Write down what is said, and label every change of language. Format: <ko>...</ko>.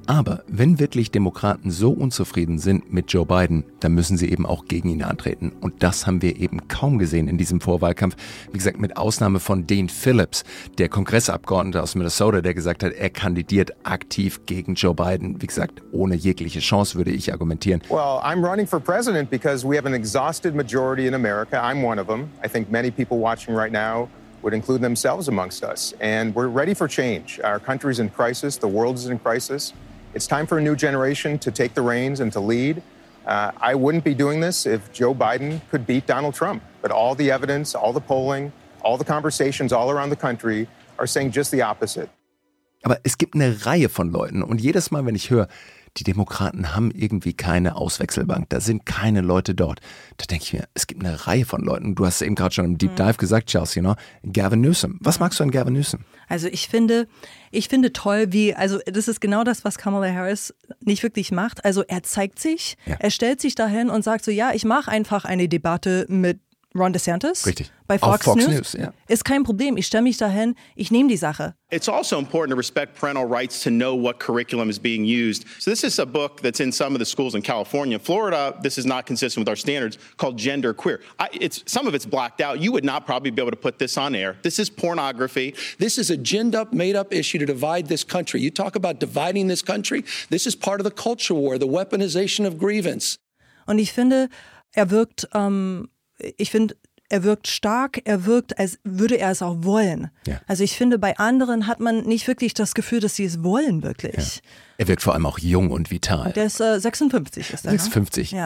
<de>Aber wenn wirklich Demokraten so unzufrieden sind mit Joe Biden, dann müssen sie eben auch gegen ihn antreten. Und das haben wir eben kaum gesehen in diesem Vorwahlkampf. Wie gesagt, mit Ausnahme von Dean Phillips, der Kongressabgeordnete aus Minnesota, der gesagt hat, er kandidiert aktiv gegen Joe Biden. Wie gesagt, ohne jegliche Chance, würde ich argumentieren.</de> <en>Well, I'm running for president because we have an exhausted majority in America. I'm one of them. I think many people watching right now would include themselves amongst us. And we're ready for change. Our country's in crisis. The world is in crisis. It's time for a new generation to take the reins and to lead. I wouldn't be doing this if Joe Biden could beat Donald Trump. But all the evidence, all the polling, all the conversations all around the country are saying just the opposite.</en> <de>Aber es gibt eine Reihe von Leuten. Und jedes Mal, wenn ich höre, die Demokraten haben irgendwie keine Auswechselbank, da sind keine Leute dort. Da denke ich mir, es gibt eine Reihe von Leuten. Du hast es eben gerade schon im Deep Dive gesagt, Charles,</de> <en>you know,</en> <de>Gavin Newsom. Was magst du an Gavin Newsom? Also ich finde toll, wie, also das ist genau das, was Kamala Harris nicht wirklich macht. Also er zeigt sich, er stellt sich dahin und sagt so, ja, ich mache einfach eine Debatte mit Ron DeSantis. Richtig. Bei Fox News. Ja. Ist kein Problem, ich stelle mich dahin, ich nehme die Sache.</de> <en>It's also important to respect parental rights to know what curriculum is being used. So this is a book that's in some of the schools in California. Florida, this is not consistent with our standards, called Gender Queer. Some of it's blacked out. You would not probably be able to put this on air. This is pornography. This is a ginned-up, made-up issue to divide this country. You talk about dividing this country, this is part of the culture war, the weaponization of grievance.</en> <de>Und ich finde, er wirkt stark, er wirkt, als würde er es auch wollen. Ja. Also ich finde, bei anderen hat man nicht wirklich das Gefühl, dass sie es wollen wirklich. Ja. Er wirkt vor allem auch jung und vital. Der ist 56, ist er. 56, ne?</de>